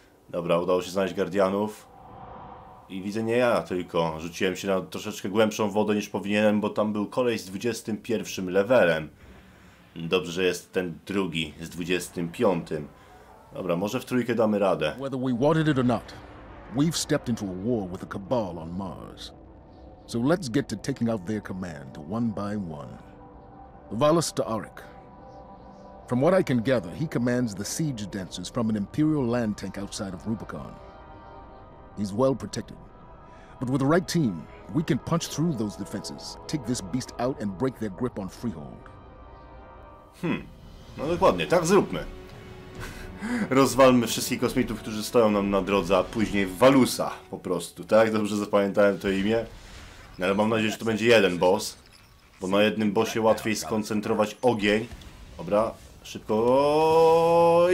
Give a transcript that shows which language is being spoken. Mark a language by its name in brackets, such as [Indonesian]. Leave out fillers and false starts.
[Polish] Dobra, udało się znaleźć Guardianów. I widzę nie ja, tylko rzuciłem się na troszeczkę głębszą wodę niż powinienem, bo tam był koleś z 21 levelem. Dobrze, że jest ten drugi z 25. Dobra, może w trójkę damy radę. [English] Whether we wanted it or not, we've stepped into a war with the Cabal on Mars. So let's get to taking out their command one by one. Valus D'Arik. From what I can gather, he commands the siege dancers from an Imperial land tank outside of Rubicon. He's well protected. But with the right team, we can punch through those defenses, take this beast out and break their grip on Freehold. [Polish] No dokładnie, tak zróbmy. Rozwalmy wszystkich kosmitów, którzy stoją nam na drodze, a później Valusa po prostu. Tak, dobrze zapamiętałem to imię. No, ale mam nadzieję, że to będzie jeden boss. Bo na jednym bossie łatwiej skoncentrować ogień. Dobra, szybko.